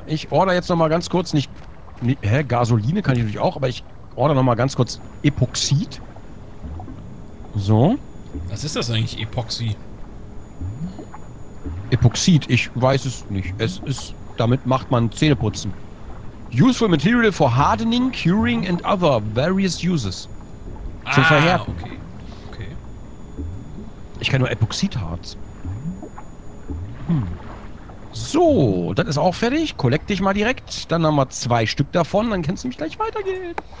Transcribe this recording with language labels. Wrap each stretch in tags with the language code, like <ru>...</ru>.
<de>Ich order jetzt nochmal ganz kurz nicht. Hä? Gasoline kann ich natürlich auch, aber ich order nochmal ganz kurz Epoxid. So. Was ist das eigentlich, Epoxy? Epoxid, ich weiß es nicht. Es ist. Damit macht man Zähneputzen.</de> <en>Useful material for hardening, curing and other various uses.</en> <de>Zum Verhärten. Okay. Okay. Ich kann nur Epoxidharz. So, das ist auch fertig. Collect dich mal direkt. Dann haben wir zwei Stück davon. Dann kannst du mich gleich weitergehen.</de>